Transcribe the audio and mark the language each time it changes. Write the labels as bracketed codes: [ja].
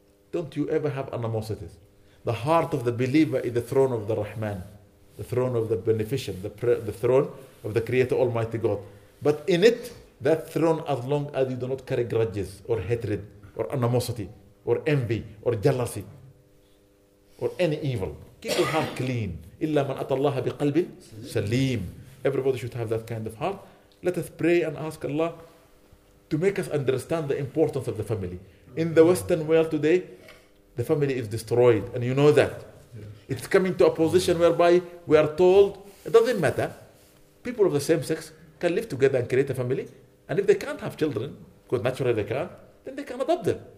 [en] Don't you ever have animosities. The heart of the believer is the throne of the Rahman, the throne of the beneficent, the throne of the Creator Almighty God. But in it, that throne, as long as you do not carry grudges or hatred or animosity or envy or jealousy or any evil. Keep your heart clean. [ar] إلا من أتى الله بقلب سليم. [en] Everybody should have that kind of heart. Let us pray and ask Allah to make us understand the importance of the family. In the Western world today, the family is destroyed. And you know that. It's coming to a position whereby we are told, it doesn't matter. People of the same sex can live together and create a family. And if they can't have children, because naturally they can't, then they can adopt them.